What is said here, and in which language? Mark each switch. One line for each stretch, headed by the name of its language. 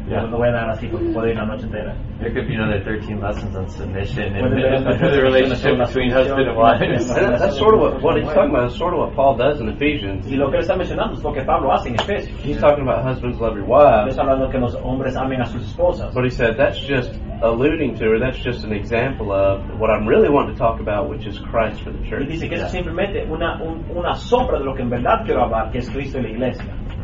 English: There could be another 13 lessons on submission and the relationship between husband and wife. That's sort of what he's talking about. That's sort of what Paul does in Ephesians.
Spanish: Y lo que está mencionando es lo que Pablo hace en Efesios.
English: He's talking about husbands love your wives.
Spanish: Está hablando que los hombres amen a sus esposas.
English: But he said that's just alluding to, or that's just an example of what I'm really wanting to talk about, which is Christ for the church.
Spanish: Y dice que es simplemente una sombra de lo que en verdad quiero hablar, que es Cristo y la iglesia.